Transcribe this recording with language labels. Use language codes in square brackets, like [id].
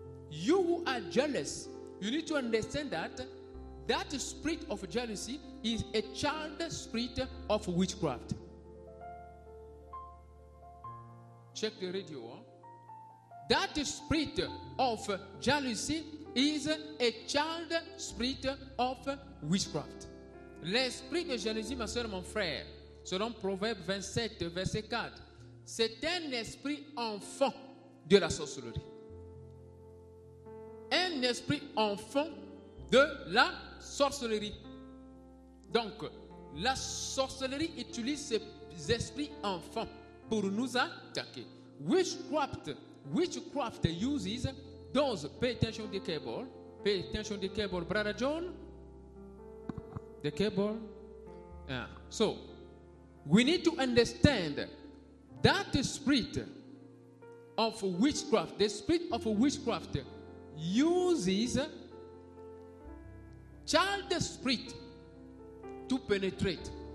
[en] You who are jealous, you need to understand that that spirit of jealousy is a child spirit of witchcraft. Check the radio. Huh? That spirit of jealousy is a child spirit of witchcraft. [fr] L'esprit de jalousie, ma soeur, mon frère, selon Proverbe 27, verset 4, c'est un esprit enfant de la sorcellerie. Un esprit enfant de la sorcellerie. Donc, la sorcellerie utilise ces esprits enfants pour nous attaquer. [en] Witchcraft uses those, pay attention to the cable, Pay attention to the cable, Brother John. The cable. Yeah. So, we need to understand that the spirit of witchcraft, the spirit of witchcraft uses child spirit to penetrate.